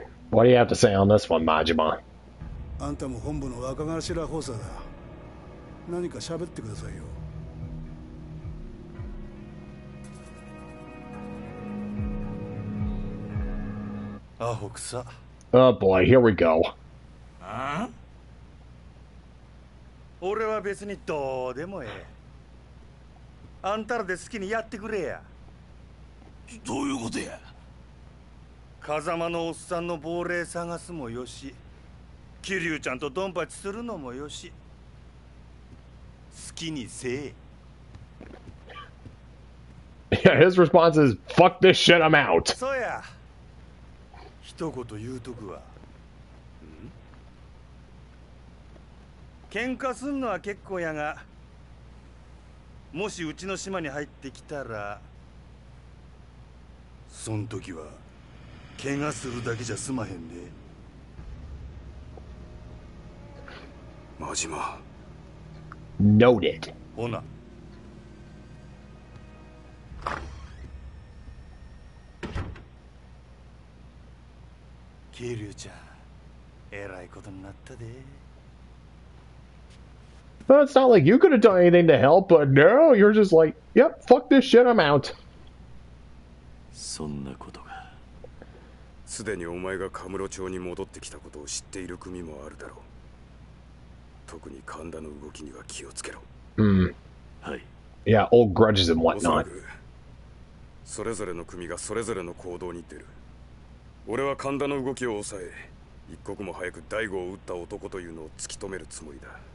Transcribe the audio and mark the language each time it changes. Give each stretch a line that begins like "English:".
English: What do you have to say on this one, Majima?
Japanese: あんたも本部の若頭補佐だ。何か喋ってくださいよ。アホくさ。
English: Oh boy, here we go. Huh?
Japanese: 俺は別にどうでもええ。あんたらで好きにやってくれや。どういうことや？風間のおっさんの亡霊探すもよし、キリュウちゃんとドンパチするのもよし、好きにせえ。
English: Yeah, his response is, fuck this shit, I'm out.
Japanese: そうや。一言言うとくわ。喧嘩すんのは結構やが、もしうちの島に入ってきたら、そん時は怪我するだけじゃ済まへんで。マジマ。
English: Noted。
Japanese: ほな。キリュウちゃん、えらいことになったで。
English: Well, it's not like you could have done anything to help, but no, you're just like, yep, fuck this shit, I'm out.
Japanese: そんなことが。すでにお前がカムロ町に戻ってきたことを知っている組もあるだろう。特に神田の動きには気をつけろ。
English: はい。Yeah, old grudges and whatnot.
Japanese: それぞれの組がそれぞれの行動に出る。俺は神田の動きを抑え、一刻も早く大吾を撃った男というのを突き止めるつもりだ。